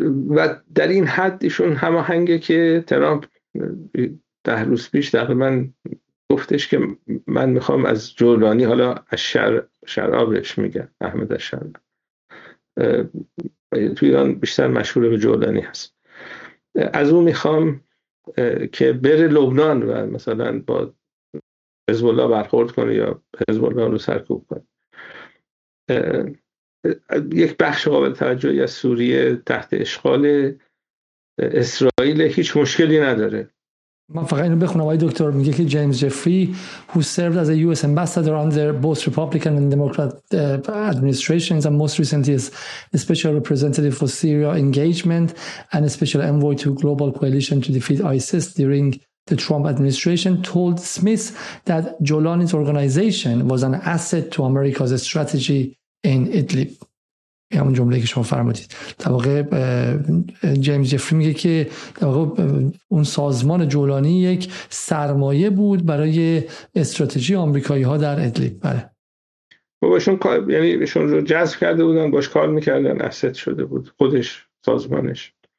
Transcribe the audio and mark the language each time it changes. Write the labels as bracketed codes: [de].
[fa] و در این حد ایشون هماهنگه که ترامپ 10 روز پیش تقریبا گفتش که من میخوام از جولانی، حالا از شرابش میگن، احمد از شراب تو ایران بیشتر مشهور به جولانی هست، از او میخوام که بره لبنان و مثلا با حزب الله برخورد کنه یا حزب الله رو سرکوب کنه. یک بخش قابل توجهی از سوریه تحت اشغال اسرائیل، هیچ مشکلی نداره. من فقط اینو بخونم، آقای دکتر میگه که جیمز جفری [en] who served as a US ambassador under both Republican and Democrat administrations and most recently as a special representative for Syria engagement and a special envoy to global coalition to defeat ISIS during the Trump administration told Smith that Jolani's organization was an asset to America's strategy in Idlib. [fa] این همون جمله که شما فرمودید. در واقع جیمز جفری میگه که در واقع اون سازمان جولانی یک سرمایه بود برای استراتژی آمریکایی‌ها در ادلیب. بله. باشون یعنی ایشون رو جذب کرده بودن، باش کار میکردن، asset شده بود خودش، سازمانش.